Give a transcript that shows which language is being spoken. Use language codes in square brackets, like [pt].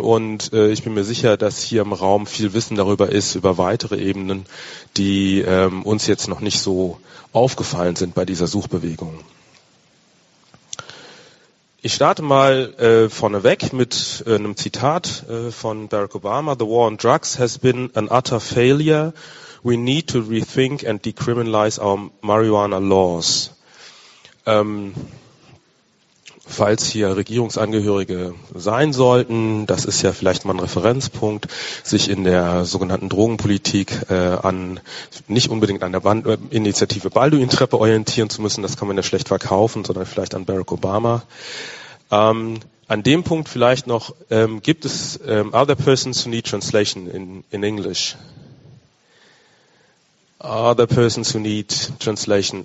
[de] Und ich bin mir sicher, dass hier im Raum viel Wissen darüber ist, über weitere Ebenen, die uns jetzt noch nicht so aufgefallen sind bei dieser Suchbewegung. Ich starte mal vorneweg mit einem Zitat von Barack Obama. [en] The war on drugs has been an utter failure. We need to rethink and decriminalize our marijuana laws. [de] Falls hier Regierungsangehörige sein sollten, das ist ja vielleicht mal ein Referenzpunkt, sich in der sogenannten Drogenpolitik an nicht unbedingt an der Initiative Balduin-Treppe orientieren zu müssen, das kann man ja schlecht verkaufen, sondern vielleicht an Barack Obama. An dem Punkt vielleicht noch, gibt es [en] other persons who need translation in English? Other persons who need translation.